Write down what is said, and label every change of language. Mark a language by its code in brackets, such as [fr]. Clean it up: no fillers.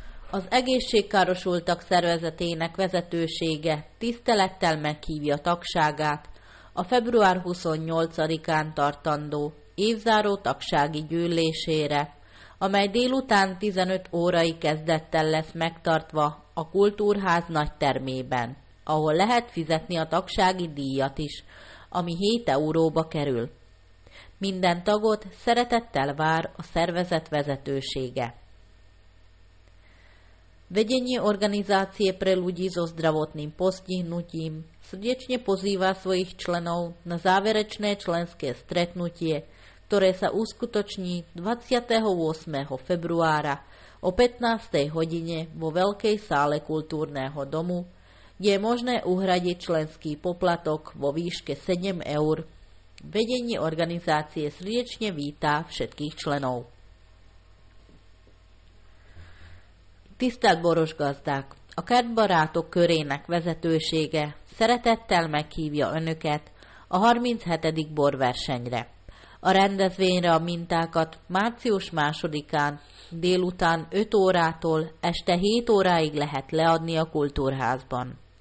[hu] Az egészségkárosultak szervezetének vezetősége tisztelettel meghívja tagságát a február 28-án tartandó évzáró tagsági gyűlésére, amely délután 15 órai kezdettel lesz megtartva a Kultúrház nagy termében, ahol lehet fizetni a tagsági díjat is, ami 7 euróba kerül. Minden tagot szeretettel vár a szervezet vezetősége. [sk] Vedenie organizácie pre ľudí so zdravotným postihnutím srdečne pozýva svojich členov na záverečné členské stretnutie, ktoré sa uskutoční 28. februára o 15. hodine vo Veľkej sále kultúrneho domu, kde je možné uhradiť členský poplatok vo výške 7 eur. Vedenie organizácie srdečne vítá všetkých členov. [hu] Tisztelt borosgazdák! A Kertbarátok körének vezetősége szeretettel meghívja önöket a 37. borversenyre. A rendezvényre a mintákat március 2-án délután 5 órától este 7 óráig lehet leadni a Kultúrházban.